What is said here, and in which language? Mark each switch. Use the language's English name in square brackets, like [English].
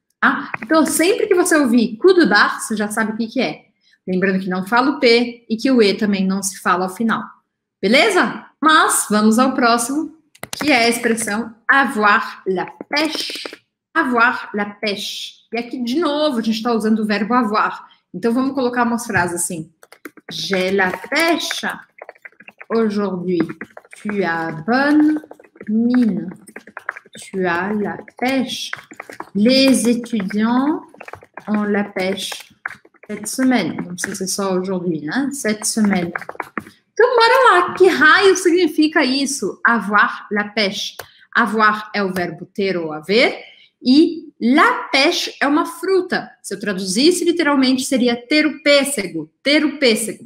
[Portuguese] Ah, então, sempre que você ouvir coup de barre, você já sabe o que que é. Lembrando que não fala o P e que o E também não se fala ao final. Beleza? Mas vamos ao próximo, que é a expressão avoir la pêche. Avoir la pêche. E aqui, de novo, a gente está usando o verbo avoir. Então, vamos colocar umas frases assim. [French] J'ai la pêche aujourd'hui. Tu as bonne mine. Tu as la pêche. Les étudiants ont la pêche cette semaine. [Portuguese] Não sei se c'est só aujourd'hui, né? [French] Cette semaine. [Portuguese] Então, bora lá. Que raio significa isso? Avoir la pêche. Avoir é o verbo ter ou haver. E la pêche é uma fruta. Se eu traduzisse literalmente, seria ter o pêssego. Ter o pêssego.